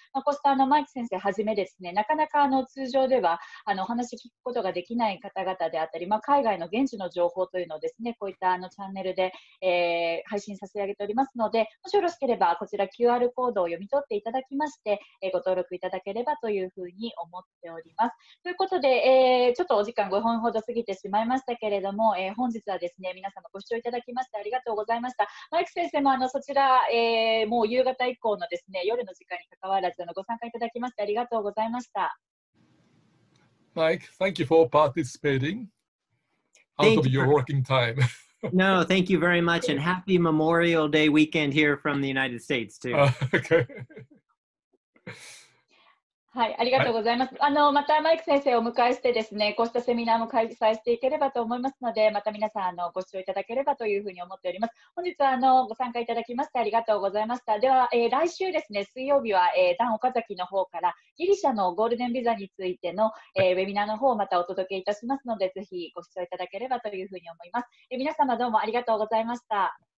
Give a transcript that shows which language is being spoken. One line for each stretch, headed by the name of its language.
Japanese: まあ、こうしたマイク先生はじめですね、なかなか通常ではお話を聞くことができない方々であったり、まあ、海外の現地の情報というのをですね、こういったチャンネルで、配信させ上げておりますので、もしよろしければこちら QR コードを読み取っていただきまして、ご登録いただければというふうに思っております。ということで、ちょっとお時間5分ほど過ぎてしまいましたけれども、本日はですね、皆様ご視聴いただきましてありがとうございました。マイク先生もそちら、もう夕方以降のですね、夜の時間に関わらずご参加いただきましてありがとうございました。
English: マイク、 Thank you for participating out of your working time. No, thank you very much, and happy Memorial Day weekend here from the United States too. Okay.
Japanese: はい、ありがとうございます。またマイク先生をお迎えしてですね、こうしたセミナーも開催していければと思いますので、また皆さんご視聴いただければというふうに思っております。本日はご参加いただきましてありがとうございました。では、来週ですね、水曜日は、ダン岡崎の方からギリシャのゴールデンビザについての、ウェビナーの方をまたお届けいたしますので、ぜひご視聴いただければというふうに思います。皆様どうもありがとうございました。